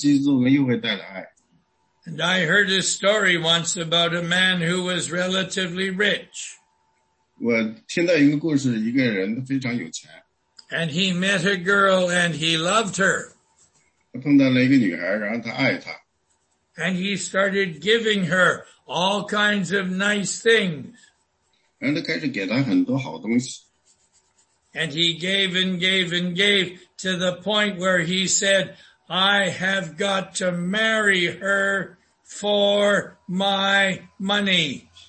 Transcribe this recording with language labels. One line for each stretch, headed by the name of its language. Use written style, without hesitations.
Chinese: 原来是因为我们信呢，所以我们就去服事去做工。我们做工呢，我们就学会了爱。我们学会了爱以后呢，我们又会继续做工。继续做工呢，又会继续信。继续信呢，又会继续做工。继续做工又会带来爱。
English: And I heard a story once about a man who was relatively rich.
Chinese: 我听到一个故事，一个人非常有钱。
English: And he met a girl and he loved her.
Chinese: 他碰到了一个女孩，然后他爱她。
English: And he started giving her all kinds of nice things. And he gave and gave and gave to the point where he said, I have got to marry her for my money.